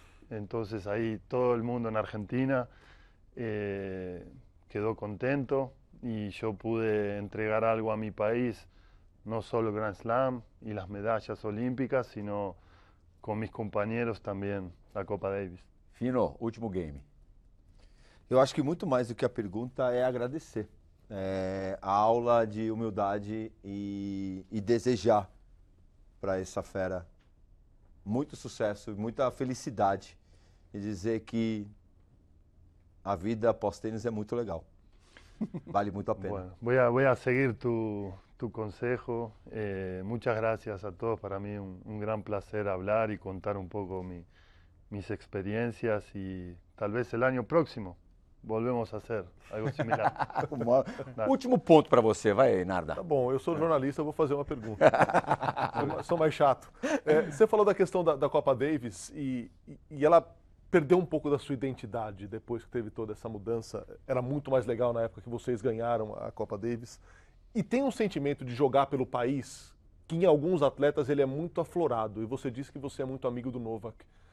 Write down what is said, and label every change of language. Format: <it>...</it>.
<es>Entonces ahí todo el mundo en Argentina quedó contento. Y yo pude entregar algo a mi país, no solo el Grand Slam y las medallas olímpicas, sino con mis compañeros también la Copa Davis.</es> <pt>Fino, último game. Eu acho que muito mais do que a pergunta é agradecer. A aula de humildade e desejar para essa fera muito sucesso e muita felicidade. E dizer que a vida pós-tênis é muito legal.</pt> <es>Vale mucho la pena. Bueno, voy a seguir tu consejo. Muchas gracias a todos. Para mí un gran placer hablar y contar un poco mis experiencias. Y tal vez el año próximo volvemos a hacer algo similar.</es> <pt>Último punto para você, vai, Narda. Tá bom, eu sou jornalista, vou fazer uma pergunta. Sou mais chato. Você falou da questão da Copa Davis e ela perdeu um pouco da sua identidade depois que teve toda essa mudança. Era muito mais legal na época que vocês ganharam a Copa Davis. E tem um sentimento de jogar pelo país que em alguns atletas ele é muito aflorado. E você disse que você é muito amigo do Novak.</pt>